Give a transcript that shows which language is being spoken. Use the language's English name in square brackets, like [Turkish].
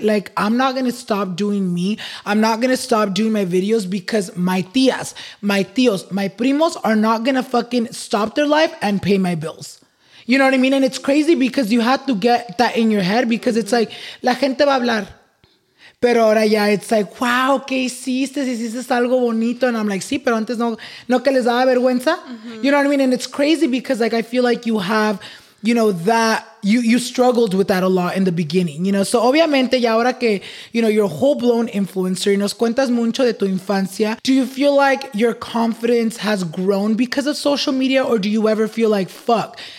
[English] Like, I'm not going to stop doing me. I'm not going to stop doing my videos because my tías, my tíos, my primos are not going to fucking stop their life and pay my bills. You know what I mean? And it's crazy because you have to get that in your head because it's like, [Spanish] la gente va a hablar. Pero ahora ya [English] it's like, wow, [Spanish] ¿qué hiciste? ¿Hiciste algo bonito? [English] And I'm like, [Spanish] sí, pero antes no que les daba vergüenza. [English] Mm-hmm. You know what I mean? And it's crazy because like I feel like you have, you know, that you struggled with that a lot in the beginning, you know? So [Spanish] obviamente ya ahora que, [English] you know, you're a whole-blown influencer [Spanish] y nos cuentas mucho de tu infancia, [English] do you feel like your confidence has grown because of social media, or do you ever feel like, fuck,